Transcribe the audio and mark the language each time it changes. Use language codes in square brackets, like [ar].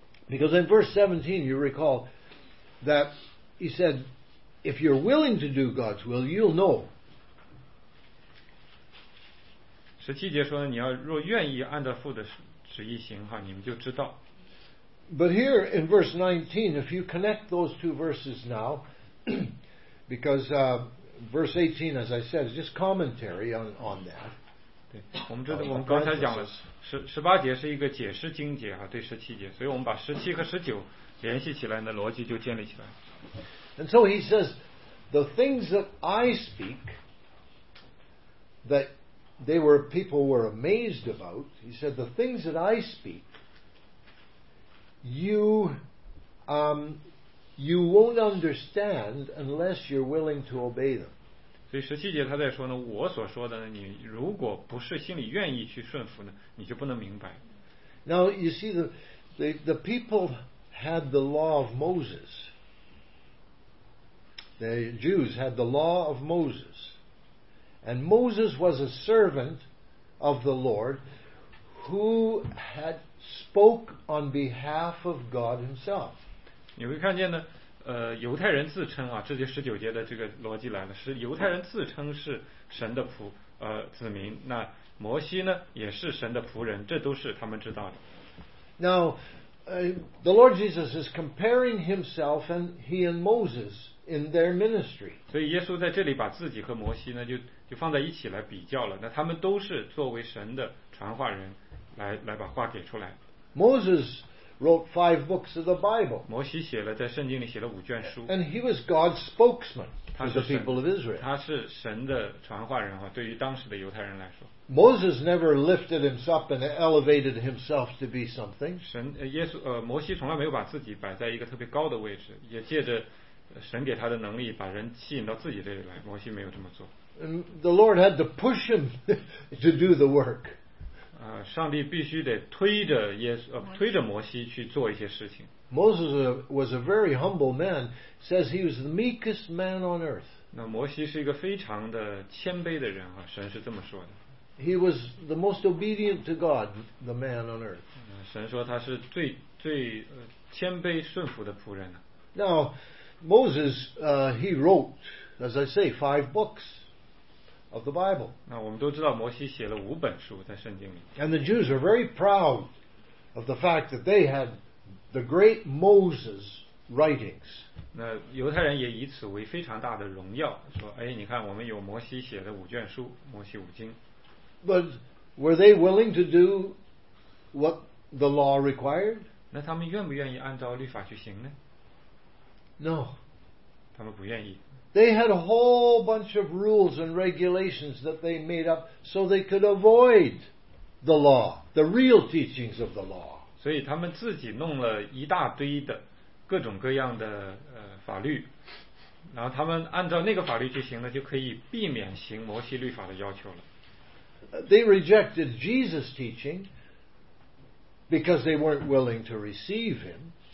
[en] Because in verse 17, you recall that he said, if you're willing to do God's will, you'll know. [zh] 十七节说，你要若愿意按照父的旨意行，你们就知道。 [en] But here in verse 19, if you connect those two verses now, because verse 18, as I said, is just commentary on that. [zh] 对，我们这我们刚才讲了十八节是一个解释经节哈，对十七节，所以我们把十七和十九联系起来，那逻辑就建立起来。 [en] And so he says, the things that I speak, that they were people were amazed about. He said, the things that I speak, you won't understand unless you're willing to obey them. [zh] 所以十七节他在说呢，我所说的呢，你如果不是心里愿意去顺服呢，你就不能明白。 [en] Now you see the people had the law of Moses. The Jews had the law of Moses, and Moses was a servant of the Lord who had spoke on behalf of God Himself. [zh] 你会看见呢。犹太人自称啊，这就十九节的这个逻辑来了，是犹太人自称是神的仆子民，那摩西呢也是神的仆人，这都是他们知道的。 [en] Now, the Lord Jesus is comparing himself and he and Moses in their ministry. [zh] 所以耶稣在这里把自己和摩西呢就放在一起来比较了，那他们都是作为神的传话人来把话给出来。 [en] Moses wrote 5 books of the Bible. [zh] 摩西写了，在圣经里写了五卷书。 [en] And he was God's spokesman to the people of Israel. [zh] 他是神的传话人啊，对于当时的犹太人来说。 [en] Moses never lifted himself and elevated himself to be something. [zh] 神耶稣摩西从来没有把自己摆在一个特别高的位置，也借着神给他的能力把人吸引到自己这里来。摩西没有这么做。 [en] And the Lord had to push him to do the work. [zh] 上帝必须得推着耶稣推着摩西去做一些事情。 [en] Moses was a very humble man, says he was the meekest man on earth. [zh] 那摩西是一个非常的谦卑的人啊，神是这么说的。 [en] He was the most obedient to God, the man on earth. [zh] 神说他是最谦卑顺服的仆人。 [en] Now, Moses, he wrote, as I say, 5 books. Of the Bible. [zh] 那我们都知道，摩西写了五本书在圣经里。 [en] And the Jews were very proud of the fact that they had the great Moses writings. [zh] 那犹太人也以此为非常大的荣耀，说：“哎，你看，我们有摩西写的五卷书，摩西五经。” [en] But were they willing to do what the law required? [zh] 那他们愿不愿意按照律法去行呢 [en] ？No. [zh] 他们不愿意。 [en] They had a whole bunch of rules and regulations that they made up so they could avoid the law, the real teachings of the law. [zh] 所以他们自己弄了一大堆的各种各样的法律，然后他们按照那个法律去行呢，就可以避免行摩西律法的要求了。 [en] They rejected Jesus' teaching because they weren't willing to receive him.